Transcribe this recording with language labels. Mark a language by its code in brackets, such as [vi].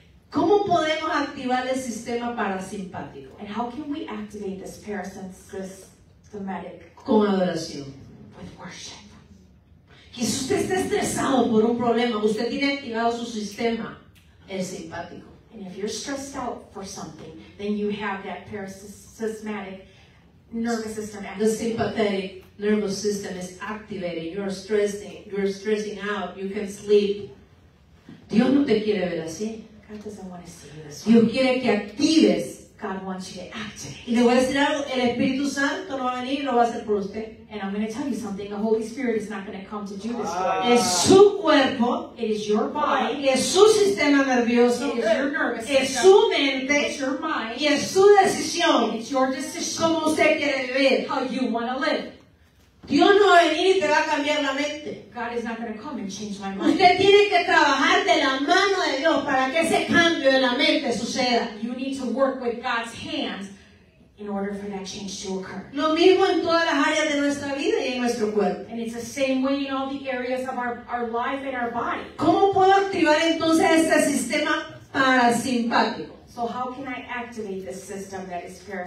[es] ¿Cómo podemos activar el sistema parasimpático? [en] And how can we activate this parasympathetic? [es] Con adoración. [en] With worship. [es] Y si usted está estresado por un problema, usted tiene activado su sistema, el simpático. [en] And if you're stressed out for something, then you have that parasympathetic nervous system activated. The sympathetic nervous system is activated. You're stressing out. You can sleep. [es] Dios no te quiere ver así. [en] God doesn't want to see you this way. [es] Dios quiere que actives. [en] God wants you to activate. [es] Y le voy a decir algo, el Espíritu Santo no va a venir y lo va a hacer por usted. [en] And I'm going to tell you something, the Holy Spirit is not going to come to do this for you. [es] Es su cuerpo. [en] It is your body. [es] Y es su sistema nervioso. [en] It is your nervous system. [es] Es su mente. [en] It's your mind. [es] Y es su decisión. [en] And it's your decision. [es] Como usted quiere vivir. [en] How you want to live. [es] Dios no va a venir y te va a cambiar la mente. [en] God is not going to come and change my mind. [es] Usted tiene que trabajar de la mano de Dios para que ese cambio de la mente suceda. [en] You need to work with God's hands in order for that change to occur. [es] Lo mismo en todas las áreas de nuestra vida y en nuestro cuerpo. [en] And it's the same way in all the areas of our life and our body. [es] ¿Cómo puedo activar entonces este sistema parasimpático? [en] So how can I activate this system that is